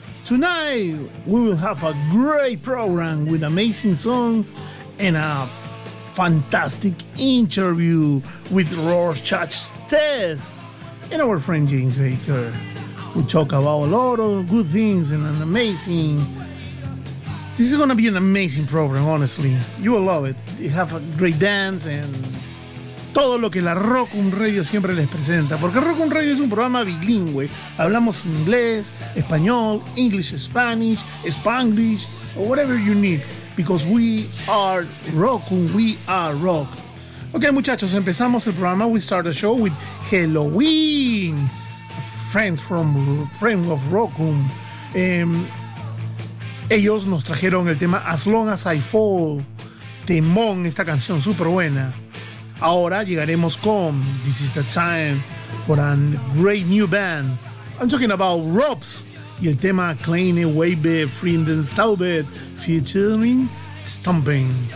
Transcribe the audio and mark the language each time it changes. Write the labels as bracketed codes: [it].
[en] Tonight, we will have a great program with amazing songs and a fantastic interview with Rorschach's Test and our friend James Baker. We talk about a lot of good things and an amazing... This is going to be an amazing program, honestly. You will love it. You have a great dance and... [es] Todo lo que la Rock'n Radio siempre les presenta, porque Rock'n Radio es un programa bilingüe. Hablamos inglés, español, [en] English, Spanish, Spanglish, or whatever you need, because we are Rock'n, we are rock. [es] Okay, muchachos, empezamos el programa. [en] We start the show with Helloween, friend of Rock'n. [es] Ellos nos trajeron el tema As Long As I Fall, temón, esta canción súper buena. Ahora llegaremos con [en] This Is The Time for a Great New Band. I'm talking about Robs y el tema Kleine Wabe Frienden Staubet featuring Stomping.